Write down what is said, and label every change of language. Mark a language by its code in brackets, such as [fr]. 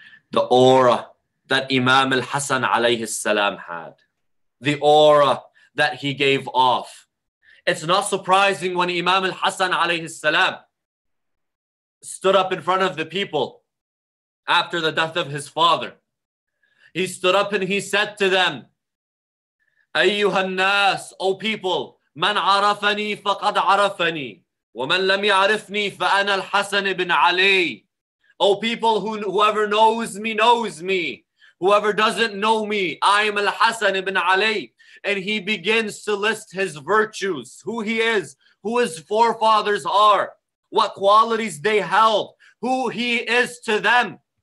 [en] The aura that Imam al-Hasan alayhi salam had, the aura that he gave off, it's not surprising when Imam al-Hasan alayhi salam stood up in front of the people after the death of his father. He stood up and he said to them, [ar] أيها الناس, [en] O people, [ar] من عرفني فقد عرفني ومن لم يعرفني فأنا الحسن بن علي. [en] O people, whoever knows me, knows me. Whoever doesn't know me, I am al-Hasan ibn Ali. And he begins to list his virtues, who he is, who his forefathers are, what qualities they held, who he is to them.